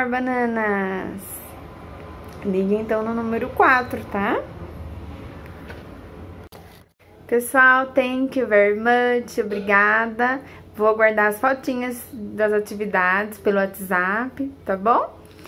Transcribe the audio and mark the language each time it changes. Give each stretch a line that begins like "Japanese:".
Portuguese: 1, 2, 3, 4. 4 bananas. Liguei então no número 4, tá? Pessoal,
English: thank you very much.
Portuguese: Obrigada. Vou guardar as fotinhas das atividades pelo WhatsApp, tá bom?